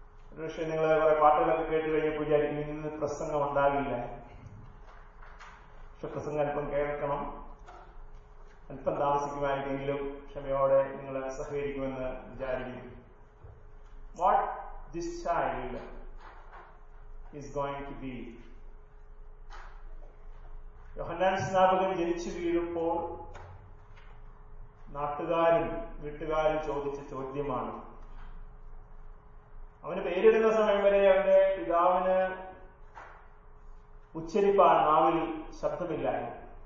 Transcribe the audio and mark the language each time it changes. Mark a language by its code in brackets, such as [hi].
[ml] ഒരു പക്ഷേ നിങ്ങൾ കുറെ പാട്ടുകളൊക്കെ കേട്ട് കഴിഞ്ഞപ്പോൾ വിചാരിക്കും ഇന്ന് പ്രസംഗം ഉണ്ടാകില്ല. പക്ഷെ പ്രസംഗം അല്പം കേൾക്കണം, അല്പം താമസിക്കുമായിരിക്കെങ്കിലും ക്ഷമയോടെ നിങ്ങൾ സഹകരിക്കുമെന്ന് വിചാരിക്കും. [en] What this child is going to be. [ml] യോഹന്നാൻ സ്നാപകൻ ജനിച്ചു വീഴുമ്പോൾ നാട്ടുകാരും വീട്ടുകാരും ചോദിച്ച ചോദ്യമാണ്. അവന് പേരിടുന്ന സമയം വരെ അവന്റെ പിതാവിന് ഉച്ചരിപ്പാൻ നാവിൽ ശബ്ദമില്ലായിരുന്നു.